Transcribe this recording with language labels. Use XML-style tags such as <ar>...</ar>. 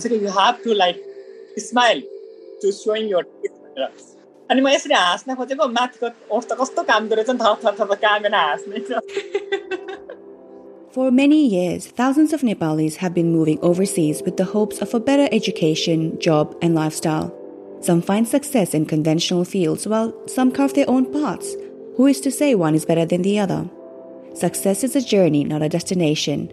<en>So you have to like smile to showing your teeth.</en> <ne>अनि म यसरी हाँस्न खोजेको माथिको ओठ त कस्तो काम गरेछ नि थर थर थर कामेन हाँस्ने.</ne> <en>For many years, thousands of Nepalis have been moving overseas with the hopes of a better education, job, and lifestyle. Some find success in conventional fields, while some carve their own paths. Who is to say one is better than the other? Success is a journey, not a destination.</en>